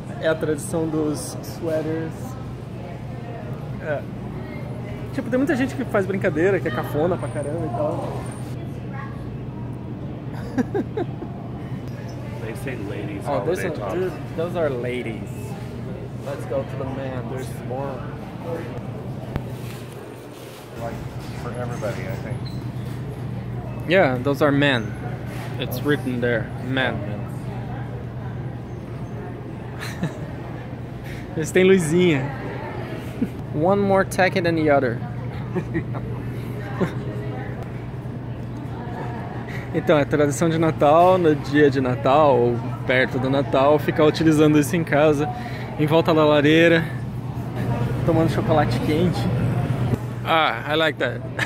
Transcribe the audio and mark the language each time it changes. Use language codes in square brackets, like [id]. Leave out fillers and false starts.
[pt] É a tradição dos sweaters. É. Tipo, tem muita gente que faz brincadeira, que é cafona pra caramba e tal. [en] They say ladies. Oh, those are those are ladies. Let's go to the man. There's more. Like for everybody, I think. Yeah, those are men. It's written there. Men. [pt] Eles têm luzinha. [en] One more tacky than the other. [pt] Então, é tradição de Natal, no dia de Natal, ou perto do Natal, ficar utilizando isso em casa, em volta da lareira, tomando chocolate quente. [en] Ah, I like that.